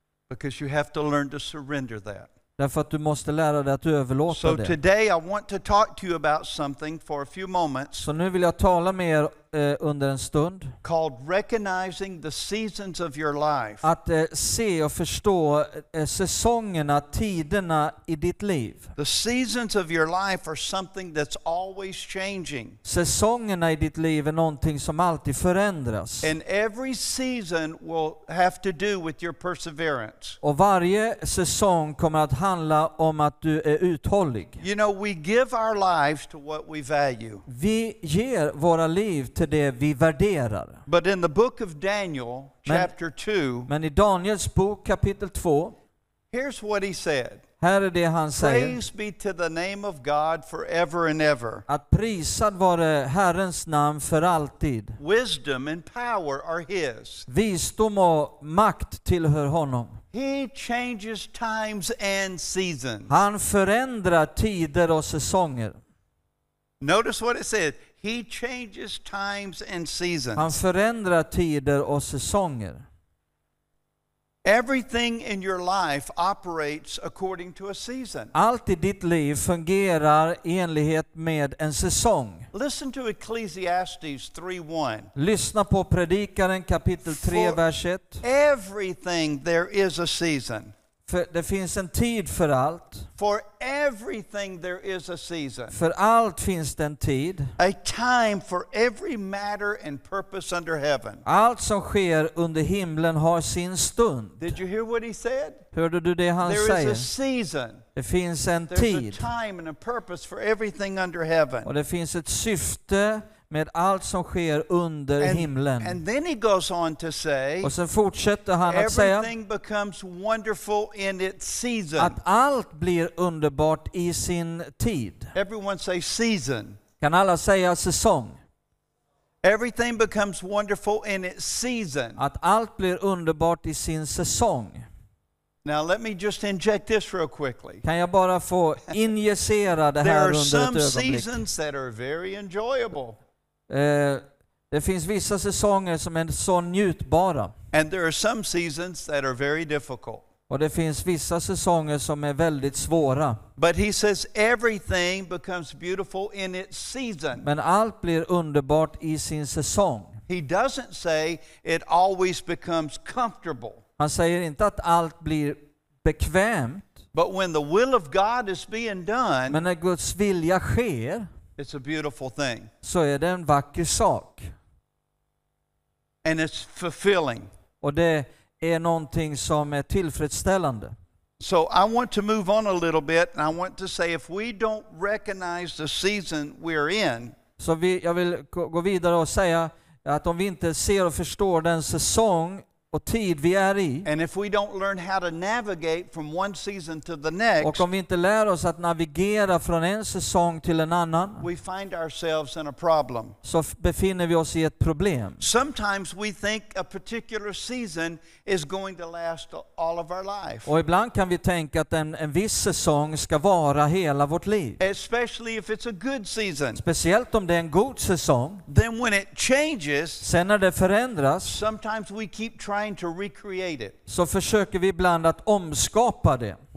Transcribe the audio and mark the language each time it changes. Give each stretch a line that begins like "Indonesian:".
English: Because you have to learn to surrender that.
Swedish: Därför att du måste lära dig att överlåta
English: so
Swedish: det.
English: So today I want to talk to you about something for a few moments.
Swedish: Så nu vill jag tala med er under en stund.
English: Called recognizing the seasons of your life.
Swedish: Att se och förstå säsongerna, tiderna i ditt liv.
English: The seasons of your life are something that's always changing.
Swedish: Säsongerna i ditt liv är någonting som alltid förändras.
English: And every season will have to do with your perseverance.
Swedish: Och varje säsong kommer att handla om att du är uthållig.
English: You know, we give our lives to what we value.
Swedish: Vi ger våra liv till det vi värderar.
English: But in the book of Daniel, chapter 2,
Swedish: men i Daniels bok kapitel 2,
English: here's what he said.
Swedish: Här är det han säger.
English: Praise be to the name of God forever and ever.
Swedish: Att prisad vare Herrens namn för alltid.
English: Wisdom and power are his.
Swedish: Visdom och makt tillhör honom.
English: He changes times and seasons.
Swedish: Han förändrar tider och säsonger.
English: Notice what it said. He changes times and seasons.
Swedish: Han förändrar tider och säsonger.
English: Everything in your life operates according to a season.
Swedish: Allt i ditt liv fungerar i enlighet med en säsong.
English: Listen to Ecclesiastes 3:1.
Swedish: Lyssna på Predikaren kapitel 3 vers 1.
English: Everything there is a season.
Swedish: För det finns en tid för allt.
English: For everything there is a season.
Swedish: För allt finns det en tid.
English: A time for every matter and purpose under heaven.
Swedish: Allt som sker under himlen har sin stund.
English: Did you hear what he said?
Swedish: Hörde du det han
English: there
Swedish: säger?
English: Is a season.
Swedish: Det finns en
English: There's
Swedish: tid.
English: There's a time and a purpose for everything under heaven.
Swedish: Och det finns ett syfte med allt som sker under himlen.
English: And then he goes on to say,
Swedish: och sen fortsätter han att
English: everything
Swedish: säga,
English: everything becomes wonderful in its season.
Swedish: Att allt blir underbart i sin tid.
English: Everyone say season.
Swedish: Kan alla säga säsong?
English: Everything becomes wonderful in its season.
Swedish: Att allt blir underbart i sin säsong.
English: Now let me just inject this real quickly.
Swedish: Kan jag bara få injicera det här under ett ögonblick?
English: There are some seasons that are very enjoyable.
Swedish: Det finns vissa säsonger som är så njutbara.
English: And there are some seasons that are very difficult.
Swedish: Och det finns vissa säsonger som är väldigt svåra.
English: But he says everything becomes beautiful in its season.
Swedish: Men allt blir underbart i sin säsong.
English: He doesn't say it always becomes comfortable.
Swedish: Han säger inte att allt blir bekvämt.
English: But when the will of God is being done,
Swedish: men när Guds vilja sker,
English: it's a beautiful thing.
Swedish: Så är det en vacker sak.
English: And it's fulfilling.
Swedish: Och det är någonting som är tillfredsställande.
English: So I want to move on a little bit, and I want to say if we don't recognize the season we're in.
Swedish: Så vi, jag vill gå vidare och säga att om vi inte ser och förstår den säsong och tid vi är i.
English: And if we don't learn how to navigate from one season to the next.
Swedish: Och om vi inte lär oss att navigera från en säsong till en annan.
English: We find ourselves in a problem.
Swedish: Så befinner vi oss i ett problem.
English: Sometimes we think a particular season is going to last all of our life.
Swedish: Och ibland kan vi tänka att en viss säsong ska vara hela vårt liv.
English: Especially if it's a good season.
Swedish: Speciellt om det är en god säsong.
English: Then when it changes.
Swedish: Sen när det förändras.
English: Sometimes we keep trying to recreate it.
Swedish: Så försöker vi ibland att omskapa det.